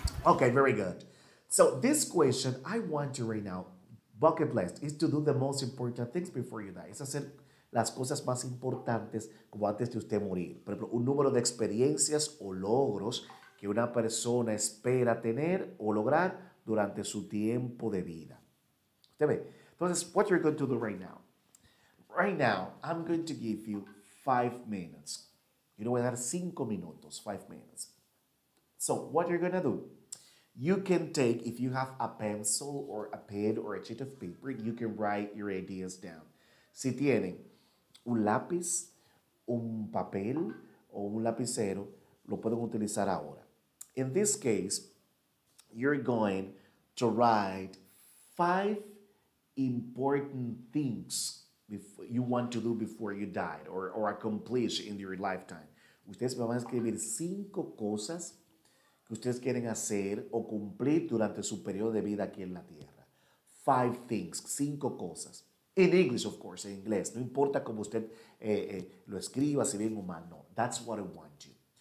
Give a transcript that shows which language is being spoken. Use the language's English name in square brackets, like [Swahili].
[English] Okay, very good. So this question I want you right now, bucket list, is to do the most important things before you die. [Spanish] Es hacer las cosas más importantes como antes de usted morir. Por ejemplo, un número de experiencias o logros que una persona espera tener o lograr durante su tiempo de vida. ¿Usted ve? [English] Entonces, what you're going to do right now? Right now, I'm going to give you 5 minutes. [Spanish] Yo le voy a dar 5 minutos. [English] 5 minutes. So, what you're going to do? You can take, if you have a pencil or a pen or a sheet of paper, you can write your ideas down. [Spanish] Si tienen un lápiz, un papel o un lapicero, lo pueden utilizar ahora. [English] In this case, you're going to write 5 important things before you want to do before you die or accomplish in your lifetime. [Spanish] Ustedes me van a escribir 5 cosas que ustedes quieren hacer o cumplir durante su periodo de vida aquí en la Tierra. [English] 5 things, 5 cosas. In English, of course, in inglés. [Spanish] No importa cómo usted lo escriba, si bien o mal, no. [English] That's what I want you.